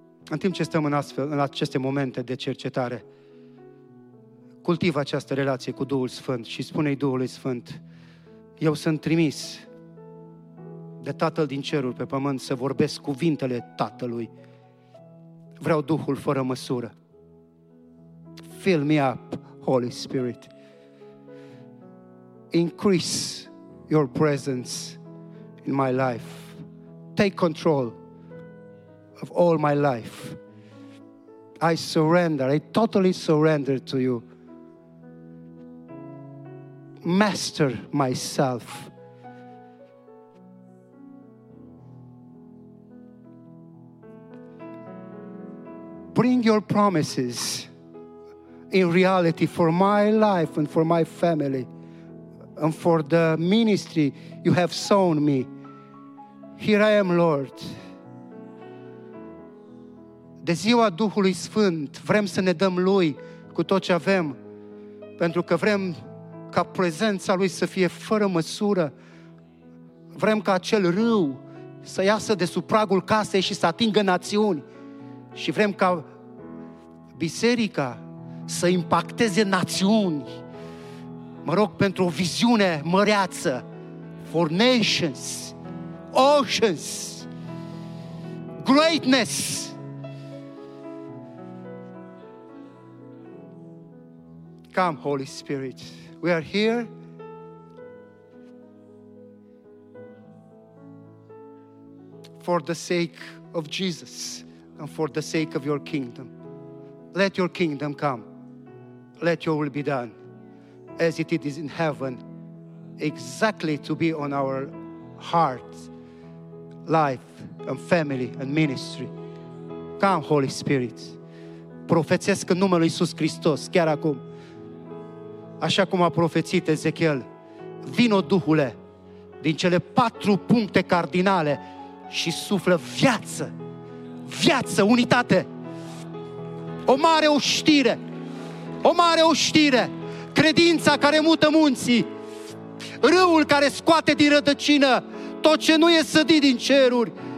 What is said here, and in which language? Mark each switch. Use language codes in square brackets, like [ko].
[ro] În timp ce stăm în aceste momente de cercetare, cultivă această relație cu Duhul Sfânt și spune-i Duhului Sfânt, eu sunt trimis de Tatăl din ceruri pe pământ să vorbesc cuvintele Tatălui. Vreau Duhul fără măsură. [en] Fill me up, Holy Spirit. Increase your presence in my life. Take control of all my life. I surrender. I totally surrender to you. Master myself. bring your promises in reality for my life and for my family and for the ministry you have sown me. Here I am, Lord. [ro] De ziua Duhului Sfânt vrem să ne dăm Lui cu tot ce avem, pentru că vrem ca prezența Lui să fie fără măsură. Vrem ca acel râu să iasă de sub pragul casei și să atingă națiuni. Și vrem ca biserica să impacteze națiuni. Mă rog pentru o viziune măreață. [en] For nations, oceans, greatness. Come, Holy Spirit. We are here. For the sake of Jesus and for the sake of your kingdom. Let your kingdom come. Let your will be done as it is in heaven, exactly to be on our hearts, life and family and ministry. Come, Holy Spirit. [ro] Profețesc în numele Iisus Hristos, chiar acum. Așa cum a profețit Ezechiel, vino Duhule din cele patru puncte cardinale și suflă viață, viață, unitate, o mare oștire, o mare oștire, credința care mută munții, râul care scoate din rădăcină tot ce nu e sădit din ceruri.